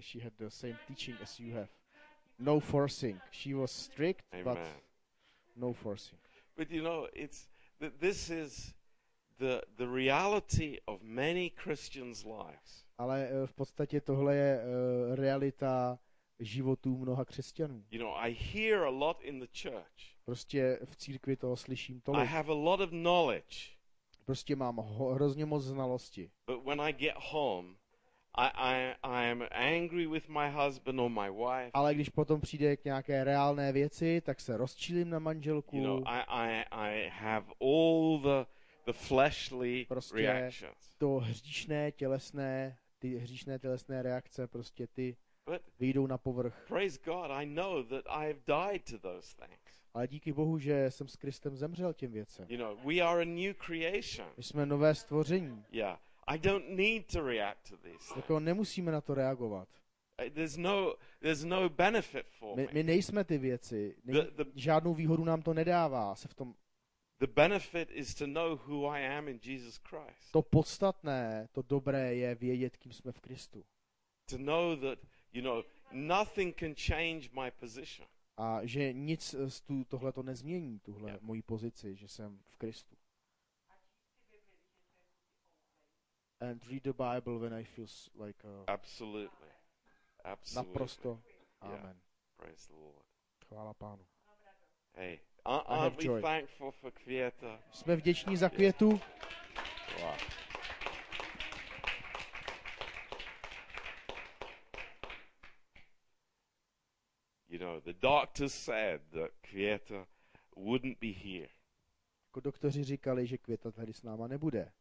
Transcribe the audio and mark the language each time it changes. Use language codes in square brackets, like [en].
[en] She had the same teaching as you have. No forcing. She was strict, Amen. But no forcing. But you know, this is the reality of many Christians' lives. [cs] Ale v podstatě tohle je realita životů mnoha křesťanů. [en] You know, I hear a lot in the church. [cs] Prostě v církvi toho slyším tolik. [en] I have a lot of knowledge. [cs] Prostě mám hrozně moc znalosti. [en] But when I get home, I am angry with my husband or my wife. [cs] Ale když potom přijde k nějaké reálné věci, tak se rozčílím na manželku. [en] You know, I have all the fleshly [cs] prostě [en] reactions. [cs] To hříšné tělesné, ty hříšné tělesné reakce, prostě ty vyjdou na povrch. [en] Praise God, I know that I have died to those things. [cs] Ale díky Bohu, že jsem s Kristem zemřel těm věcem. [en] You know, we are a new creation. [cs] My jsme nové stvoření. [en] Yeah. I don't need to react to this. [cs] Jako nemusíme na to reagovat. [en] There's no benefit for me. [cs] My nejsme ty věci. Žádnou výhodu nám to nedává se v tom. [en] The benefit is to know who I am in Jesus Christ. [cs] To podstatné, to dobré je vědět, kým jsme v Kristu. [en] To know that, you know, nothing can change my position. [cs] A že nic z tohle to nezmění tuhle moji pozici, že jsem v Kristu. [en] And read the Bible when I feel like absolutely. Absolutely. [cs] Naprosto. Amen. [en] Yeah. Praise the Lord. [cs] Chvála Pánu. [en] Hey, aren't we thankful for Květa? [cs] Jsme vděční za Květu. [en] Yeah. Wow. You know, the doctors said that Květa wouldn't be here. [cs] Doktoři říkali, že Květa tady s náma nebude.